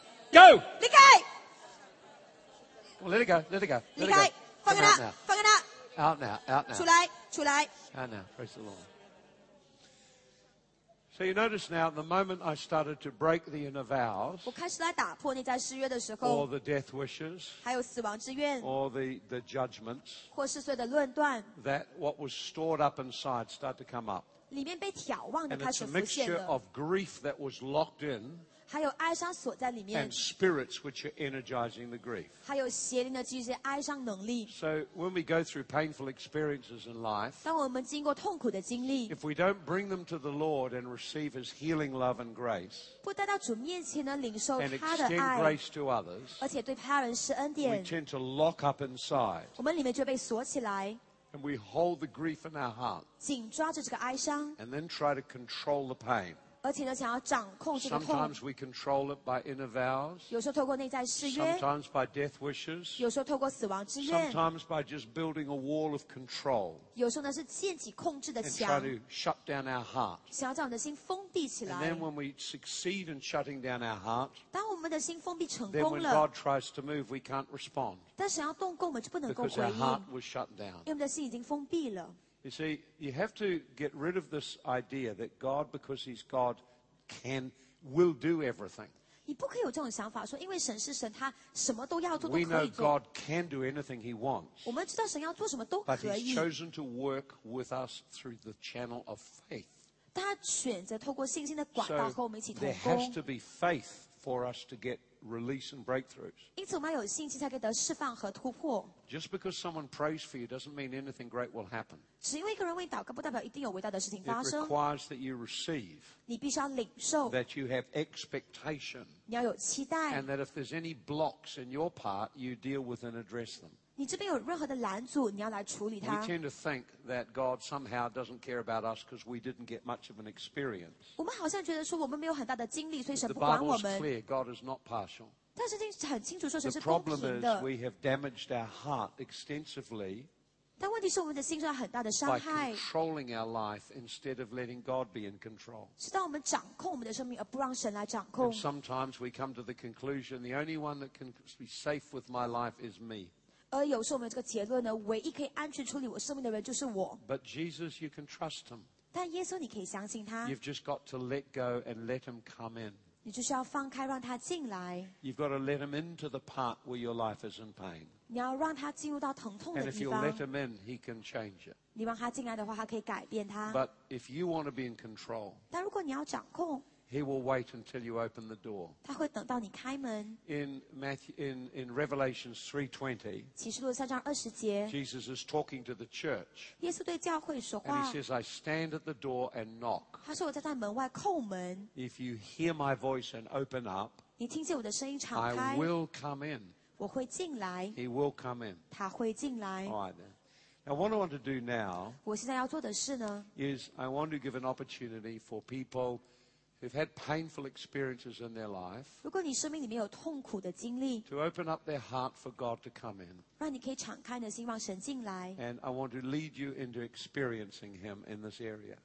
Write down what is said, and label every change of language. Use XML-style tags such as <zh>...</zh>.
<en>Go!</en> <zh>离开</zh> <en>Well, let it go, let it go.</en> <zh>离开放给他放给他</zh> <en>Out now, out now.</en> <zh>出来出来</zh> <en>Out now, praise the Lord. So you notice now, the moment I started to break the inner vows,</en> <zh>我开始来打破内在誓约的时候</zh> <en>or the death wishes,</en> <zh>还有死亡之愿</zh> <en>or the judgments,</en> <zh>或是所有的论断</zh> <en>that what was stored up inside started to come up.</en> <zh>里面被眺望的开始浮现了</zh> <en>And it's a mixture of grief that was locked in,</en> <zh>还有哀伤锁在里面</zh> <en>and spirits which are energizing the grief.</en> <zh>还有邪灵的这些哀伤能力</zh> <en>So when we go through painful experiences in life,</en> <zh>当我们经过痛苦的经历</zh> <en>if we don't bring them to the Lord and receive His healing love and grace,</en> <zh>不带到主面前呢领受他的爱</zh> <en>and extend grace to others,</en> <zh>而且对他人施恩典</zh> <en>we tend to lock up inside.</en> <zh>我们里面就被锁起来</zh> <en>and we hold the grief in our heart,</en> <zh>紧抓着这个哀伤</zh> <en>and then try to control the pain.</en> <zh>而且呢，想要掌控这个痛。</zh> <en>Sometimes we control it by inner vows.</en> <zh>有时候透过内在誓约。</zh> <en>Sometimes by death wishes.</en> <zh>有时候透过死亡之愿。</zh> <en>Sometimes by just building a wall of control.</en> <zh>有时候呢是建起控制的墙。</zh> <en>And try to shut down our heart.</en> <zh>想要将我们的心封闭起来。</zh> <en>And then when we succeed in shutting down our heart.</en> <zh>当我们的心封闭成功了。</zh> <en>Then when God tries to move, we can't respond.</en> <zh>但想要动工，我们就不能够回应。</zh> <en>Because our heart was shut down.</en> <zh>因为我们的心已经封闭了。</zh> <en>You see, you have to get rid of this idea that God, because He's God, can, will do everything.</en> <zh>你不可以有这种想法，说因为神是神，他什么都要做都可以做。</zh> <en>We know God can do anything He wants.</en> <zh>我们知道神要做什么都可以。</zh> <en>But He's chosen to work with us through the channel of faith.</en> <zh>他选择透过信心的管道和我们一起同工。</zh> <en>So there has to be faith for us to get release and breakthroughs.</en> <zh>因此我们要有信心才可以得释放和突破。</zh> <en>Just because someone prays for you doesn't mean anything great will happen.</en> <zh>只因为一个人为你祷告，不代表一定有伟大的事情发生。</zh> <en>It requires that you receive.</en> <zh>你必须要领受。</zh> <en>That you have expectation.</en> <zh>你要有期待。</zh> <en>And that if there's any blocks in your part, you deal with and address them.</en> <zh>你这边有任何的拦阻，你要来处理它。</zh> <en>We tend to think that God somehow doesn't care about us because we didn't get much of an experience.</en> <zh>我们好像觉得说我们没有很大的经历，所以神不管我们。</zh> <en>The Bible is clear, God is not partial.</en> <zh>但是圣经很清楚说神是公平的。</zh> <en>The problem is we have damaged our heart extensively.</en> <zh>但问题是我们的心受到很大的伤害。</zh> <en>By controlling our life instead of letting God be in control.</en> <zh>是当我们掌控我们的生命，而不让神来掌控。</zh> <en>And sometimes we come to the conclusion the only one that can be safe with my life is me.</en> <zh>而有时候我们这个结论呢，唯一可以安全处理我生命的人就是我。</zh> <en>But Jesus, you can trust him.</en> <zh>但耶稣，你可以相信他。</zh> <en>You've just got to let go and let him come in.</en> <zh>你就是要放开，让他进来。</zh> <en>You've got to let him into the part where your life is in pain.</en> <zh>你要让他进入到疼痛的地方。</zh> <en>And if you let him in, he can change it.</en> <zh>你让他进来的话，他可以改变他。</zh> <en>But if you want to be in control,</en> <zh>但如果你要掌控。</zh> <en>He will wait until you open the door.</en> <zh>他会等到你开门。</zh> <en>In Revelation 3:20,</en> <zh>启示录三章二十节</zh> <en>Jesus is talking to the church.</en> <zh>耶稣对教会说话。</zh> <en>And he says, I stand at the door and knock.</en> <zh>他说我在门外叩门。</zh> <en>If you hear my voice and open up,</en> <zh>你听见我的声音敞开。</zh> <en>I will come in.</en> <zh>我会进来。</zh> <en>He will come in.</en> <zh>他会进来。</zh> <en>All right, then. Now, what I want to do now,</en> <zh>我现在要做的事呢</zh> <en>is I want to give an opportunity for people who've had painful experiences in their life,</en> <zh>如果你生命里面有痛苦的经历</zh> <en>to open up their heart for God to come in,</en> <zh>让你可以敞开你的心让神进来</zh> <en>and I want to lead you into experiencing him in this area.</en>